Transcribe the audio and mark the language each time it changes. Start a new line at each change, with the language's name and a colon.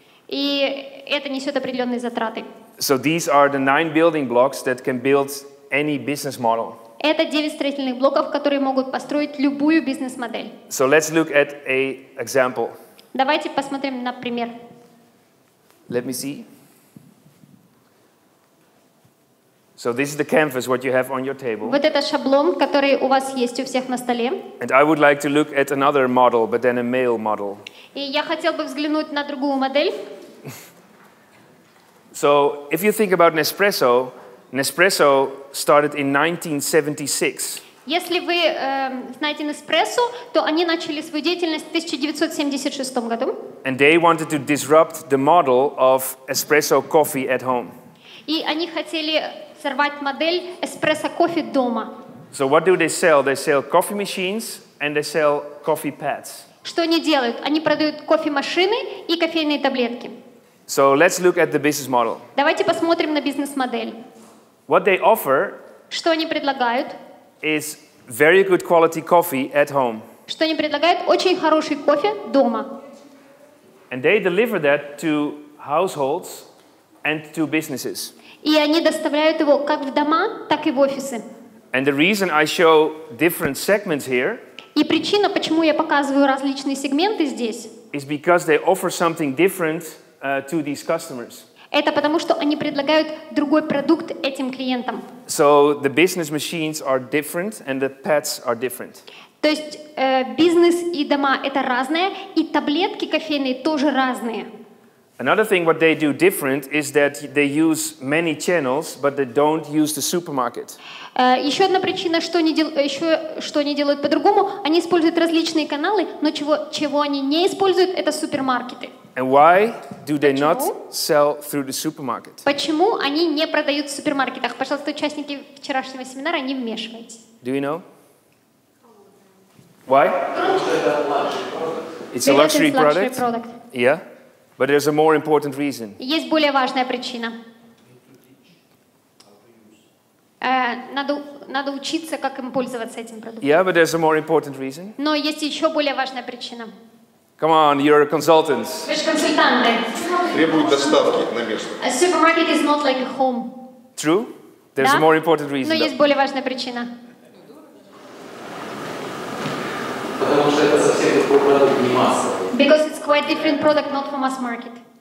Russian: И это несет определенные затраты.
English: So these are the 9 building blocks that can build any business model.
Russian: Это 9 строительных блоков, которые могут построить любую бизнес-модель.
English: So let's look at an example.
Russian: Давайте посмотрим на пример.
English: Let me see. So this is the canvas what you have on your table.
Russian: Вот это шаблон, который у вас есть у всех на столе.
English: And I would like to look at another model, but then a male model.
Russian: И я хотел бы взглянуть на другую модель.
English: So if you think about Nespresso, Nespresso started in 1976.
Russian: Если вы знаете Nespresso, то они начали свою деятельность в 1976 году.
English: And they wanted to disrupt the model of espresso coffee at home.
Russian: И они хотели сорвать модель espresso кофе дома.
English: So what do they sell? They sell coffee machines and they sell coffee pads.
Russian: Что они делают? Они продают кофемашины и кофейные таблетки.
English: So let's look at the business model.
Russian: Давайте посмотрим на бизнес-модель.
English: What they offer?
Russian: Что они предлагают?
English: Is very good quality coffee at home.
Russian: Что они предлагают? Очень хороший кофе дома.
English: And they deliver that to households and to businesses.
Russian: И они доставляют его как в дома, так и в офисы.
English: And the reason I show different segments here.
Russian: И причина, почему я показываю различные сегменты здесь.
English: Is because they offer something different to these customers.
Russian: Это потому, что они предлагают другой продукт этим клиентам.
English: So the business machines are different and the pads are different.
Russian: То есть бизнес и дома это разное, и таблетки кофейные тоже разные.
English: Another thing what they do different is that they use many channels, but they don't use the supermarket.
Russian: Еще одна причина, что они делают по-другому, они используют различные каналы, но чего они не используют, это супермаркеты.
English: And why do they not sell through the supermarket?
Russian: Почему они не продают в супермаркетах? Пожалуйста, участники вчерашнего семинара, не вмешивайтесь.
English: Do you know? Why? It's a luxury product. Yeah. But there's a more important reason.
Russian: Есть более важная причина. Надо учиться, как им пользоваться этим продуктом.
English: Yeah, but there's a more important reason.
Russian: Но есть еще более важная причина.
English: Come on, you're a consultant.
Russian: Вы же консультанты. Требуют доставки на место.
English: A supermarket is not like a home. True. There's a more important reason.
Russian: Но есть более важная причина. Потому что это совсем другой продукт, не масса.
English: Because it's quite different product, not for mass market.